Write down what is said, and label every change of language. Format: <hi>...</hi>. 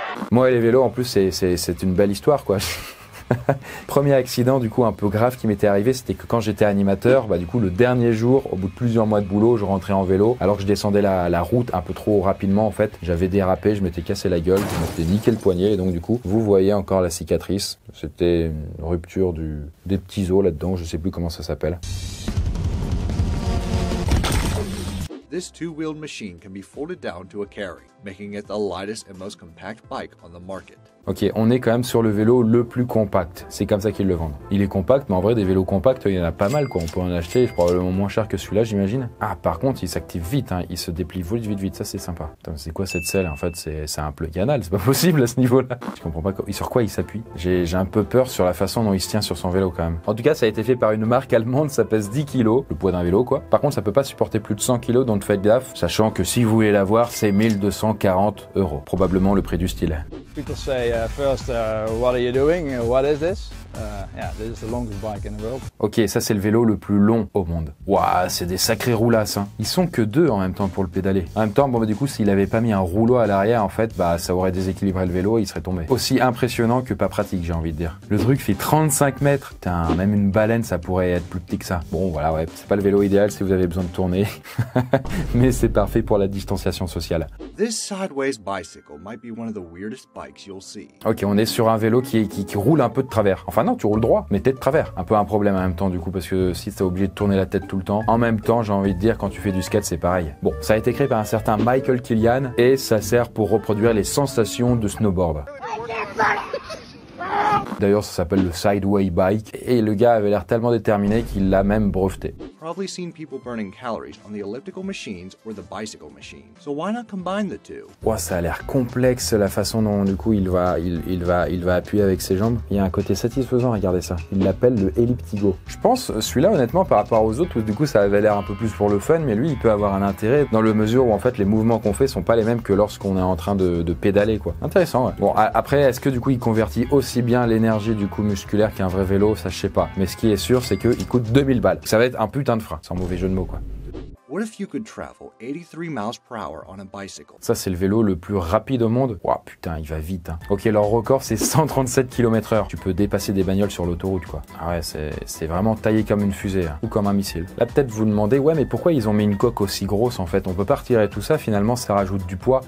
<fr>Moi et les vélos, en plus, c'est une belle histoire, quoi. Premier accident, du coup, un peu grave qui m'était arrivé, c'était que quand j'étais animateur, bah, du coup, le dernier jour, au bout de plusieurs mois de boulot, je rentrais en vélo. Alors que je descendais la route un peu trop rapidement, en fait, j'avais dérapé, je m'étais cassé la gueule, je m'étais niqué le poignet. Et donc, du coup, vous voyez encore la cicatrice. C'était une rupture des petits os là-dedans, je sais plus comment ça s'appelle.</fr> <en>This two-wheeled machine can be folded down to a carry, making it the lightest and most compact bike on the market.</en> <fr>Ok, on est quand même sur le vélo le plus compact. C'est comme ça qu'ils le vendent. Il est compact, mais en vrai, des vélos compacts, il y en a pas mal, quoi. On peut en acheter, probablement moins cher que celui-là, j'imagine. Ah, par contre, il s'active vite, hein. Il se déplie vite, vite, vite. Ça, c'est sympa. Attends, c'est quoi cette selle? En fait, c'est un plug anal. C'est pas possible à ce niveau-là. Je comprends pas sur quoi il s'appuie. J'ai un peu peur sur la façon dont il se tient sur son vélo, quand même. En tout cas, ça a été fait par une marque allemande. Ça pèse 10 kilos. Le poids d'un vélo, quoi. Par contre, ça peut pas supporter plus de 100 kilos, donc faites gaffe. Sachant que si vous voulez l'avoir, c'est 1240 €. Probablement le prix du style.</fr> <en>People say, first, what are you doing? What is this? This is the longest bike in the world.</en> <fr>Ok, ça c'est le vélo le plus long au monde. Waouh, c'est des sacrés roulasses, hein. Ils sont que deux en même temps pour le pédaler. En même temps, bon, bah, du coup, s'il avait pas mis un rouleau à l'arrière, en fait, bah, ça aurait déséquilibré le vélo et il serait tombé. Aussi impressionnant que pas pratique, j'ai envie de dire. Le truc fait 35 mètres. Putain, même une baleine, ça pourrait être plus petit que ça. Bon, voilà, ouais, c'est pas le vélo idéal si vous avez besoin de tourner. Mais c'est parfait pour la distanciation sociale.</fr> <en>This sideways bicycle might be one of the weirdest bikes you'll see.</en> <fr>Ok, on est sur un vélo qui roule un peu de travers. Enfin, non, tu roules droit, mais t'es de travers. Un peu un problème en même temps, du coup, parce que si t'es obligé de tourner la tête tout le temps. En même temps, j'ai envie de dire, quand tu fais du skate, c'est pareil. Bon, ça a été créé par un certain Michael Killian, et ça sert pour reproduire les sensations de snowboard. D'ailleurs, ça s'appelle le Sideway Bike. Et le gars avait l'air tellement déterminé qu'il l'a même breveté.</fr> <en>Probably seen people burning calories on the elliptical machines or the bicycle machine. So why not combine the two?</en> <fr>Ouah, ça a l'air complexe la façon dont du coup il va appuyer avec ses jambes. Il y a un côté satisfaisant, regardez ça. Il l'appelle le elliptigo. Je pense celui-là honnêtement par rapport aux autres où du coup ça avait l'air un peu plus pour le fun, mais lui il peut avoir un intérêt dans la mesure où en fait les mouvements qu'on fait sont pas les mêmes que lorsqu'on est en train de pédaler quoi. Intéressant. Ouais. Bon après est-ce que du coup il convertit aussi bien l'énergie du coup musculaire qu'un vrai vélo, ça je sais pas. Mais ce qui est sûr c'est que il coûte 2000 balles. Ça va être un putain de frein, sans mauvais jeu de mots quoi.</fr> <en>What if you could travel 83 miles per hour on a bicycle?</en> <fr>Ça c'est le vélo le plus rapide au monde. Ouah putain, il va vite hein. OK, leur record c'est 137 km/h. Tu peux dépasser des bagnoles sur l'autoroute quoi. Ah ouais, c'est vraiment taillé comme une fusée hein, ou comme un missile. Là peut-être vous demandez ouais mais pourquoi ils ont mis une coque aussi grosse en fait? On peut pas retirer tout ça, finalement ça rajoute du poids.</fr>